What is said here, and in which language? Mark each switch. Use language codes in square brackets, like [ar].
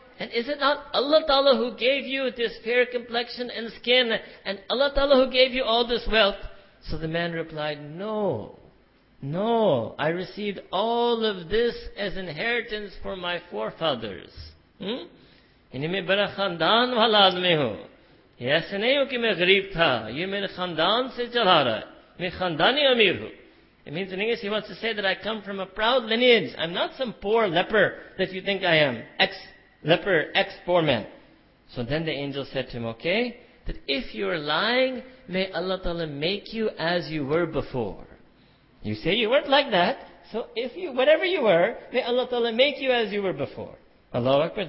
[en] And is it not Allah Ta'ala who gave you this fair complexion and skin, and Allah Ta'ala who gave you all this wealth? So the man replied, no, I received all of this as inheritance for my forefathers. [ur] انی میں بڑا خاندان والا آدمی ہوں۔ یہ ایسے نہیں ہو کہ میں غریب تھا۔ یہ میرے خاندان سے چلا رہا ہے۔ میں خاندانی امیر ہوں۔ [en] It means in English he wants to say that I come from a proud lineage. I'm not some poor leper that you think I am. Ex-leper, ex-poor man. So then the angel said to him, okay, that if you are lying, may Allah Ta'ala make you as you were before. You say you weren't like that, so if you, whatever you were, may Allah Ta'ala make you as you were before. Allahu Akbar.